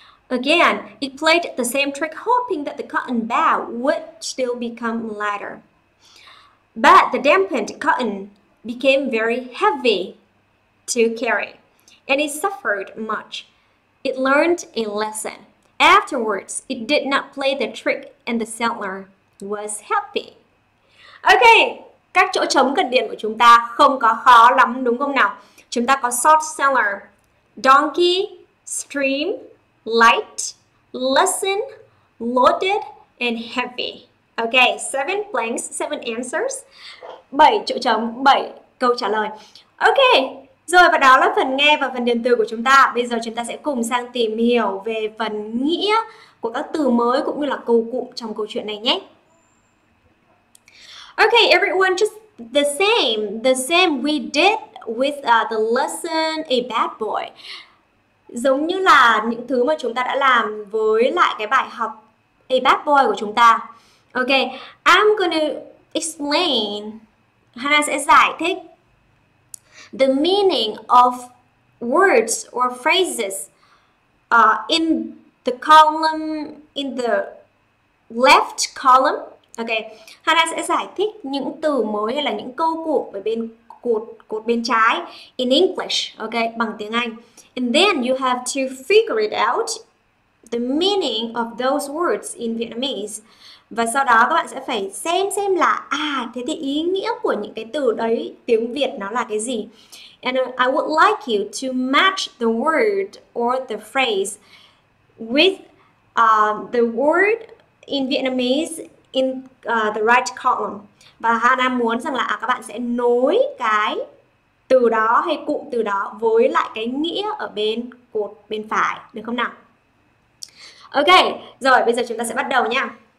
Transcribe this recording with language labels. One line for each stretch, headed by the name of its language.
English: Again, it played the same trick, hoping that the cotton bag would still become lighter. But the dampened cotton became very heavy to carry, and it suffered much. It learned a lesson. Afterwards, it did not play the trick, and the settler was happy.
Vietnamese: Okay, các chỗ trống cần điền của chúng ta không có khó lắm, đúng không nào? Chúng ta có salt cellar, donkey, stream, light, lesson, loaded, and heavy. Okay,
English: 7 blanks, 7 answers.
Vietnamese: 7 chỗ trống, 7 câu trả lời. Okay, rồi và đó là phần nghe và phần điền từ của chúng ta. Bây giờ chúng ta sẽ cùng sang tìm hiểu về phần nghĩa của các từ mới cũng như là câu cụm trong câu chuyện này nhé.
English: Okay, everyone, just the same we did with the lesson a bad boy.
Vietnamese: Giống như là những thứ mà chúng ta đã làm với lại cái bài học a bad boy của chúng ta.
English: Okay, I'm gonna explain. Hannah
Vietnamese: sẽ giải thích
English: the meaning of words or phrases in the column, in the left column.
Vietnamese: Ok, Hannah sẽ giải thích những từ mới hay là những câu cụm ở bên cột bên trái
English: in English,
Vietnamese: ok, bằng tiếng Anh.
English: And then you have to figure it out, the meaning of those words in Vietnamese.
Vietnamese: Và sau đó các bạn sẽ phải xem là thế thì ý nghĩa của những cái từ đấy tiếng Việt nó là cái gì.
English: And I would like you to match the word or the phrase with the word in Vietnamese in the right column.
Vietnamese: Và Hannah muốn rằng là các bạn sẽ nối cái từ đó hay cụm từ đó với lại cái nghĩa ở bên cột bên phải, được không nào? Ok, rồi bây giờ chúng ta sẽ bắt đầu nha.